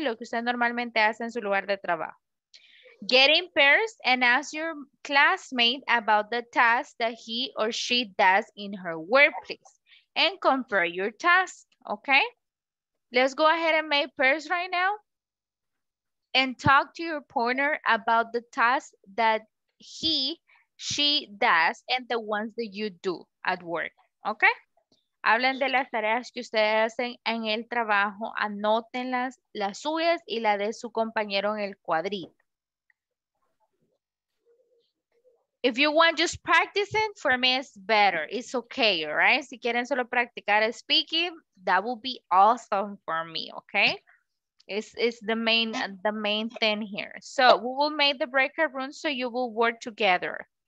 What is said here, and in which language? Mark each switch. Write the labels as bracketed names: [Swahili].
[Spanish] Lo que usted normalmente hace en su lugar de trabajo. [English] Get in pairs and ask your classmate about the task that he or she does in her workplace and compare your task, okay? Let's go ahead and make pairs right now and talk to your partner about the task that he, she does and the ones that you do at work, okay? [Spanish] Hablen de las tareas que ustedes hacen en el trabajo, anótenlas, las suyas y la de su compañero en el cuadrito. [English] If you want just practicing, for me it's better. It's okay, all right? [Spanish] Si quieren solo practicar [English] speaking, that would be awesome for me, okay? It's the main thing here. So we will make the breakout room so you will work together.